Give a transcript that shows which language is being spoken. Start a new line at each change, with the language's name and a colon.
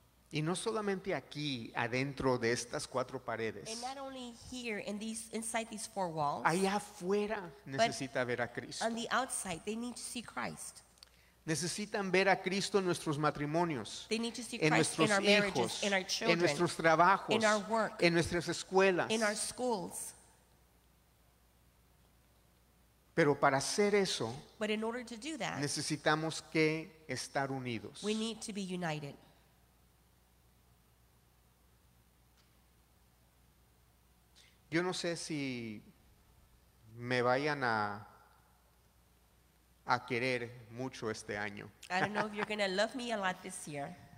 Spanish: Y no solamente aquí, adentro de estas cuatro paredes.
English: And not only here in these, inside these four walls.
Spanish: Allá afuera necesita ver a Cristo.
English: On the outside, they need to see Christ.
Spanish: Necesitan ver a Cristo en nuestros matrimonios.
English: They need to see Christ
Spanish: en nuestros
English: in our
Spanish: hijos,
English: marriages, in our children,
Spanish: en nuestros trabajos,
English: in our work,
Spanish: en nuestras escuelas.
English: In our schools.
Spanish: Pero para hacer eso,
English: but in order to do that,
Spanish: necesitamos que estar unidos.
English: We need to be united.
Spanish: Yo no sé si me vayan a querer mucho este año.
English: I don't know if you're going to love me a lot this year.